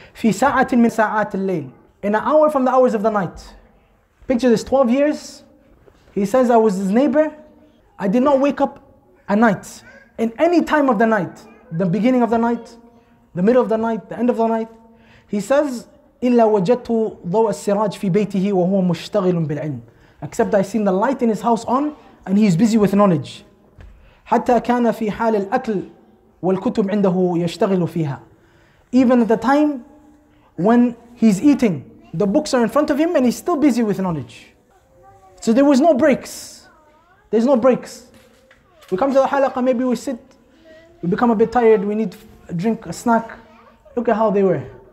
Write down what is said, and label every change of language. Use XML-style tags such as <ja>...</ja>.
<ar>في ساعة من ساعات الليل.</ar> <en>In an hour from the hours of the night. Picture this, 12 years. He says, I was his neighbor. I did not wake up a night. In any time of the night. The beginning of the night. The middle of the night. The end of the night. He says,</en> <ar>إلا وجدت ضوء السراج في بيته وهو مشتغل بالعلم.</ar> <en>Except I seen the light in his house on and he is busy with knowledge.</en> <ar>حتى كان في حال الأكل والكتب عنده يشتغل فيها.</ar> <en>Even at the time when he's eating, the books are in front of him and he's still busy with knowledge. So there was no breaks. There's no breaks. We come to the halaqah, maybe we sit, we become a bit tired, we need a drink, a snack. Look at how they were.</en>